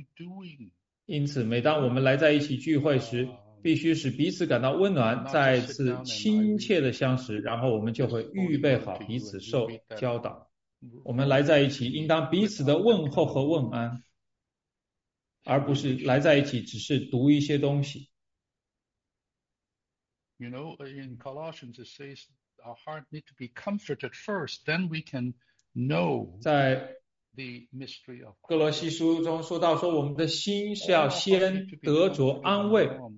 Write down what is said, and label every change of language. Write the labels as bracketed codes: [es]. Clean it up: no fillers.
[zh] 温暖的敞开的，我们的灵应当是跳跃的。三，在排聚会里，我们不可缺乏亲切感，会拦阻聚会中彼此的对说和彼此的了解。我们需要让我们的心温暖起来。因此，每当我们来在一起聚会时， 必须使彼此感到温暖，再次亲切的相识，然后我们就会预备好彼此受教导。我们来在一起，应当彼此的问候和问安，而不是来在一起只是读一些东西。You [en] know, in Colossians it says our heart need to be comforted first, then we can know the mystery of Christ. [zh] 在哥罗西书中说到，说我们的心是要先得着安慰。